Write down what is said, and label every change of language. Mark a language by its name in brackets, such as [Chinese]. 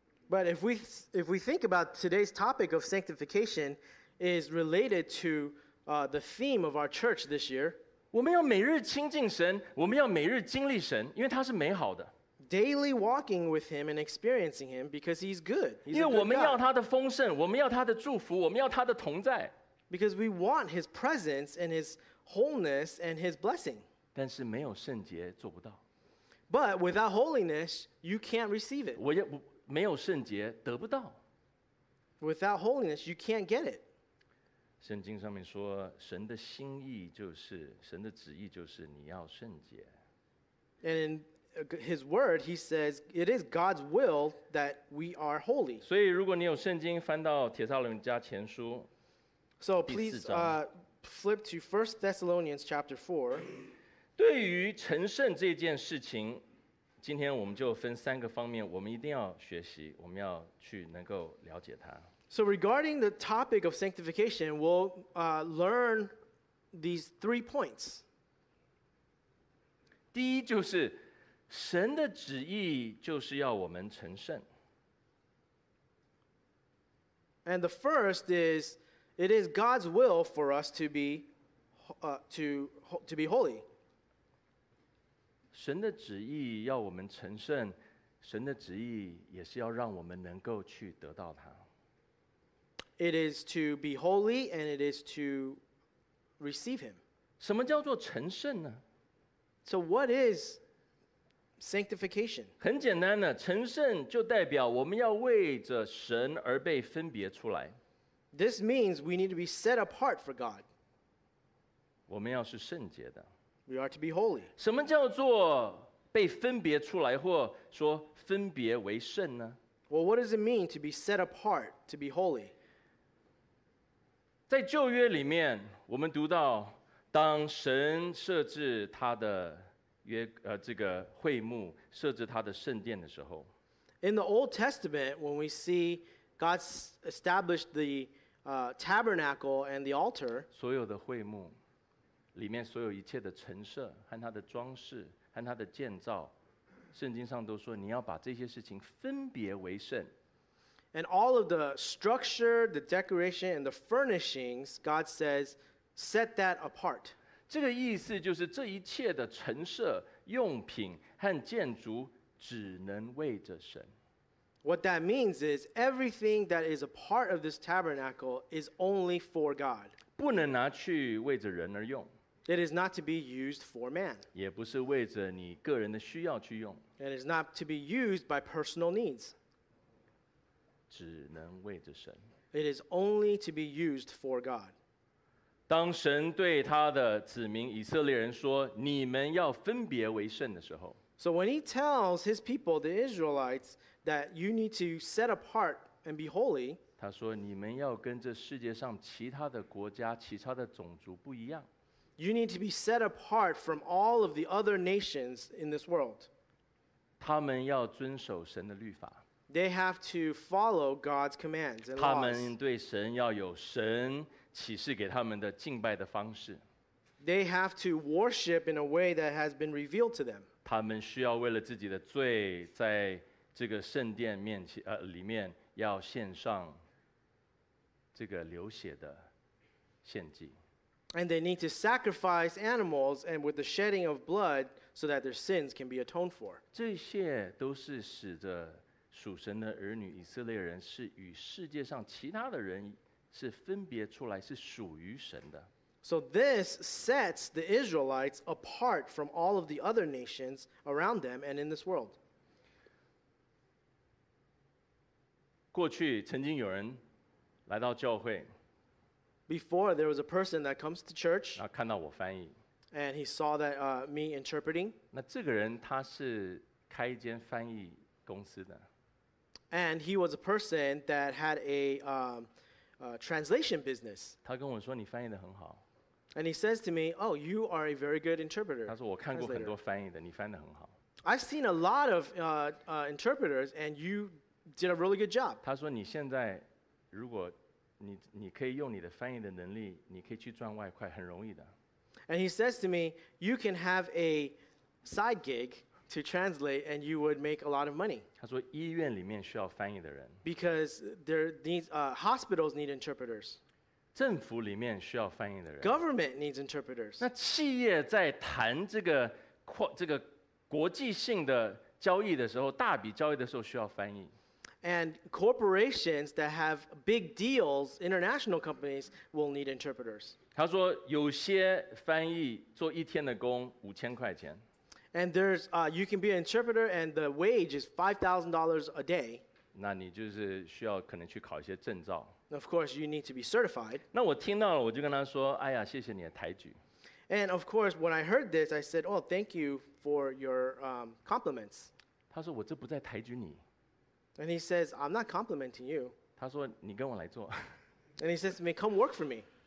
[English] But if we think about today's topic of sanctification, is related to the theme of our church this year. [Chinese] 我们要每日亲近神，我们要每日经历神，因为他是美好的。 [English] Daily walking with Him and experiencing Him because He's good. He's a good [Chinese] God. 因为我们要他的丰盛，我们要他的祝福，我们要他的同在。 [English] Because we want His presence and His wholeness and His blessing. [Chinese] 但是没有圣洁做不到。 [English] But without holiness, you can't receive it. [Chinese] 我也没有圣洁得不到。 [English] Without holiness, you can't get it. [Chinese] 圣经上面说，神的心意就是，神的旨意就是你要圣洁。 [English] And in His word, He says, it is God's will that we are holy. [Chinese] 所以如果你有圣经，翻到帖撒罗尼迦前书。 [English] So please flip to 1 Thessalonians chapter 4. [Chinese] 对于成圣这件事情，今天我们就分三个方面，我们一定要学习，我们要去能够了解它。 [English] So regarding the topic of sanctification, we'll learn these three points. [Chinese] 第一就是，神的旨意就是要我们成圣。 [English] And the first is, it is God's will for us to be, to be holy. [Chinese] 神的旨意要我们成圣，神的旨意也是要让我们能够去得到它。 [English] It is to be holy and it is to receive Him. [Chinese] 什么叫做成圣呢？ [English] So what is sanctification? [Chinese] 很简单的，成圣就代表我们要为着神而被分别出来。 [English] This means we need to be set apart for God. [Chinese] 我们要是圣洁的。 [English] We are to be holy. [Chinese] 什么叫做被分别出来，或说分别为圣呢？ [English] Well, what does it mean to be set apart, to be holy? [Chinese] 在旧约里面，我们读到，当神设置他的约，这个会幕，设置他的圣殿的时候。 [English] In the Old Testament, when we see God established the tabernacle and the altar. [Chinese] 所有的会幕，里面所有一切的陈设和它的装饰和它的建造，圣经上都说你要把这些事情分别为圣。 [English] And all of the structure, the decoration, and the furnishings, God says, set that apart. [Chinese] 这个意思就是这一切的陈设用品和建筑只能为着神。 [English] What that means is everything that is a part of this tabernacle is only for God. [Chinese] 不能拿去为着人而用。 [English] It is not to be used for man. [Chinese] 也不是为着你个人的需要去用。 [English] It is not to be used by personal needs. [Chinese] 只能为着神。 [English] It is only to be used for God. [Chinese] 当神对他的子民以色列人说，你们要分别为圣的时候。 [English] So when he tells his people, the Israelites, that you need to set apart and be holy. [Chinese] 他说你们要跟这世界上其他的国家其他的种族不一样。 [English] You need to be set apart from all of the other nations in this world. [Chinese] 他们要遵守神的律法。 [English] They have to follow God's commands and laws. [Chinese] 他们对神要有神启示给他们的敬拜的方式。 [English] They have to worship in a way that has been revealed to them. [Chinese] 他们需要为了自己的罪，在这个圣殿面前里面要献上这个流血的献祭。 [English] And they need to sacrifice animals and with the shedding of blood so that their sins can be atoned for. [Chinese] 这些都是使得属神的儿女以色列人是与世界上其他的人是分别出来，是属于神的。 [English] So this sets the Israelites apart from all of the other nations around them and in this world. [Chinese] 过去曾经有人来到教会。 [English] Before there was a person that comes to church, [Chinese] 然后看到我翻译。 [English] And he saw that me interpreting. [Chinese] 那这个人他是开一间翻译公司的。 [English] And he was a person that had a translation business. [Chinese] 他跟我说你翻译得很好。 [English] And he says to me, oh, you are a very good interpreter. [Chinese] 他说我看过很多翻译的，你翻得很好。 [English] I've seen a lot of interpreters, and you did a really good job. [Chinese] 他说你现在如果你可以用你的翻译的能力，你可以去赚外快，很容易的。 [English] And he says to me, you can have a side gig to translate, and you would make a lot of money. [Chinese] 他说医院里面需要翻译的人。 [English] Because there these hospitals need interpreters. [Chinese] 政府里面需要翻译的人。 [English] Government needs interpreters. [Chinese] 那企业在谈这个国际性的交易的时候，大笔交易的时候需要翻译。 [English] And corporations that have big deals, international companies will need interpreters. [Chinese] 他说有些翻译做一天的工5000块钱。 [English] And there's you can be an interpreter and the wage is $5,000 a day. [Chinese] 那你就是需要可能去考一些证照。 [English] Of course, you need to be certified. [Chinese] 那我听到了，我就跟他说：“哎呀，谢谢你的抬举。” [English] And of course, when I heard this, I said, "Oh, thank you for your compliments." [Chinese] 他说：“我这不在抬举你。” [English] And he says, "I'm not complimenting you." [Chinese] 他说：“你跟我来做。” [English] And he says to me, "Come work for me."